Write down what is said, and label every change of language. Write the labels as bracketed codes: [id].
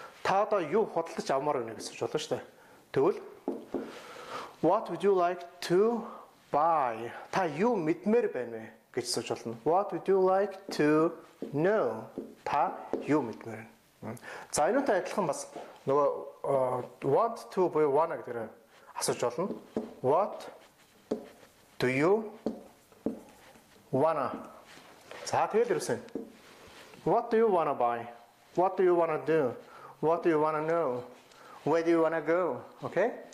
[mn] Та одоо юу худалдаж авмаар байна гэсэн үг болно шүү дээ. Тэгвэл [en] what would you like to buy? [mn] Та юу мэдмээр байна вэ гэж асууж болно. [en] What would you like to know? [mn] Та юу мэдмээр байна? За энэ үүтэй адилхан бас нөгөө want to буюу wanna гэдэгээр асууж болно. [en] What do you wanna? [mn] За тэгэл ерөөсөн. [en] What do you wanna buy? What do you wanna do? What do you wanna know? Where do you wanna go? Okay?